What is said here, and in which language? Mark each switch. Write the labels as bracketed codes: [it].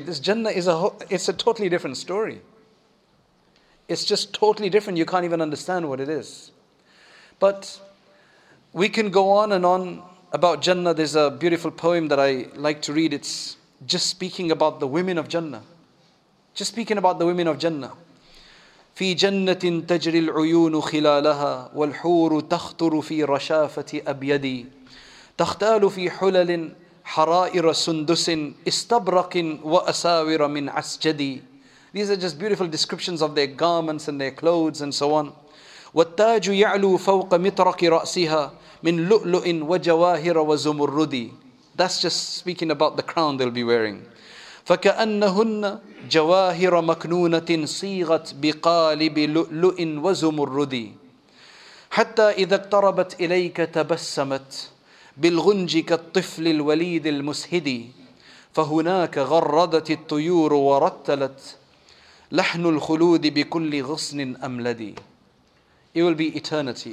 [en] This Jannah is a totally different story. It's just totally different. You can't even understand what it is. But we can go on and on about Jannah. There's a beautiful poem that I like to read. It's just speaking about the women of Jannah. Just speaking about the women of Jannah. [ar] في جنة تجري العيون خلالها والحور تخطر في رشافة أبيدي تختال في حلل حرائر سندس استبرق وأساور من عسجدي. [en] These are just beautiful descriptions of their garments and their clothes and so on. [ar] وَالتَّاجُ يَعْلُو فَوْقَ مِطْرَقِ رَأْسِهَا مِنْ لُؤْلُؤٍ وَجَوَاهِرَ وَزُمُرُّدِ. [en] That's just speaking about the crown they'll be wearing. [ar] فَكَأَنَّهُنَّ جَوَاهِرَ مَكْنُونَةٍ صِيغَتْ بِقَالِبِ لُؤْلُؤٍ وَزُمُرُّدِ حَتَّى إِذَا اقْتَرَبَتْ إِلَيْكَ تَبَسَّمَتْ بِالْغُنْجِ كَالطِّفْلِ الْوَلِيدِ الْمُسْهِدِ فَهُنَاكَ غَرَّدَتِ الطُّيُورُ وَرَتَّلَتْ لَحْنُ الْخُلُودِ بِكُلِّ غُصْنٍ أَمْلَدِ. It will be eternity.